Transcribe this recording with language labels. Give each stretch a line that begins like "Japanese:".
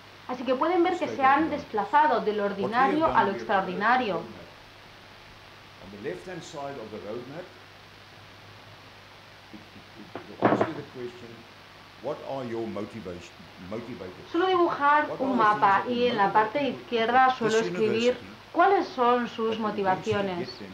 Spanish: Así que pueden ver que se han desplazado de lo ordinario a lo extraordinario.
English: On the left hand side of the roadmap, it will ask you the question. What are your motivators?
Spanish: Suelo dibujar un mapa y en la parte izquierda suelo escribir cuáles son sus motivaciones.